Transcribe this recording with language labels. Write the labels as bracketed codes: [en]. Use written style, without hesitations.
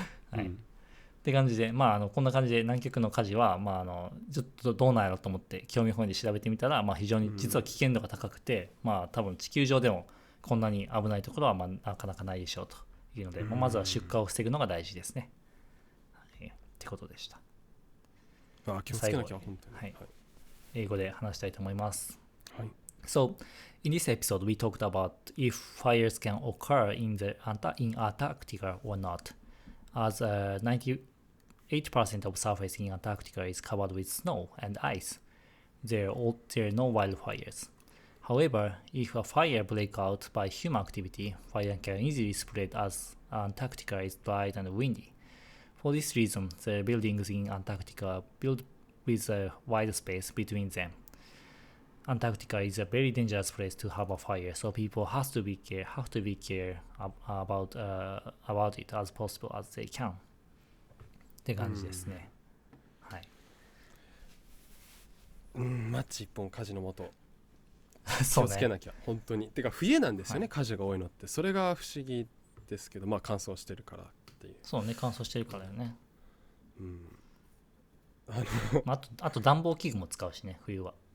[ja] はい、うん、って感じで、まあ、あのこんな感じで南極の火事は、まあ、あのちょっとどうなんやろと思って興味本位で調べてみたら、まあ、非常に実は危険度が高くて、うん、まあ、多分地球上でもこんなに危ないところは、まあ、なかなかないでしょうというので、まずは出火を防ぐのが大事ですね、はい、ってことでした。あ、気をつけなきゃ本当に、はい、英語で話したいと思います、はい、 [en] So in this episode we talked about if fires can occur in Antarctica or not. As 98% of surface in Antarctica is covered with snow and ice, there are no wildfiresHowever, if a fire breaks out by human activity, fire can easily spread as Antarctica is dry and windy. For this reason, the buildings in Antarctica are built with a wide space between them. Antarctica is a very dangerous place to have a fire, so people have to be care about it as possible as they can [ja] って感じですね。はい、うん、マッチ一本火事の元気をつけなきゃ、ね、本当に。てか冬なんですよね、はい、火事が多いのって。それが不思議ですけど、まあ乾燥してるからっていう。そうね、乾燥してるからよね。うん、あの、まあ、あと暖房器具も使うしね冬は。